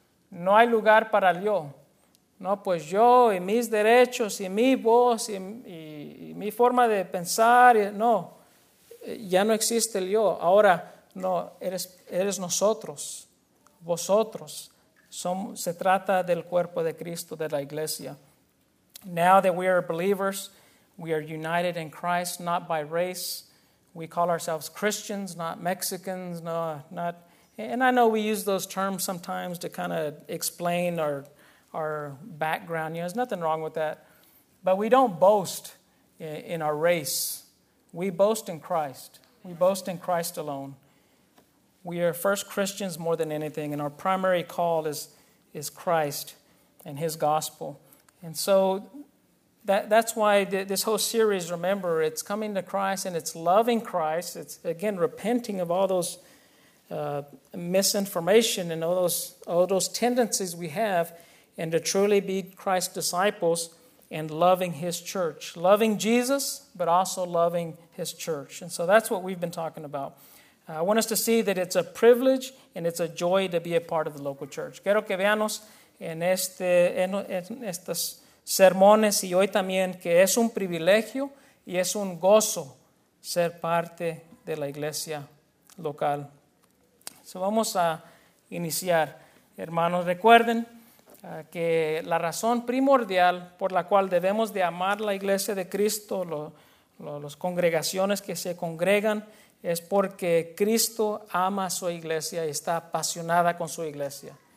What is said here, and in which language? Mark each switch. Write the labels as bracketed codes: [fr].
[es] No hay lugar para el yo. No, pues yo y mis derechos y mi voz y mi forma de pensar, no. Ya no existe el yo, ahora no, eres nosotros, vosotros. Se trata del cuerpo de Cristo, de la iglesia. [en] Now that we are believers, we are united in Christ, not by race. We call ourselves Christians, not Mexicans, not. And I know we use those terms sometimes to kind of explain our background. You know, there's nothing wrong with that. But we don't boast in our race. We boast in Christ. We boast in Christ alone. We are first Christians more than anything, and our primary call is Christ and his gospel. And so that's why this whole series, remember, it's coming to Christ and it's loving Christ. It's, again, repenting of all those misinformation and all those tendencies we have, and to truly be Christ's disciples and loving his church. Loving Jesus, but also loving his church. And so that's what we've been talking about. I want us to see that it's a privilege and it's a joy to be a part of the local church. [es] Quiero que veamos en estos sermones y hoy también que es un privilegio y es un gozo ser parte de la iglesia local. So vamos a iniciar. Hermanos, recuerden que la razón primordial por la cual debemos de amar la iglesia de Cristo, las congregaciones que se congregan, es porque Cristo ama a su iglesia y está apasionada con su iglesia.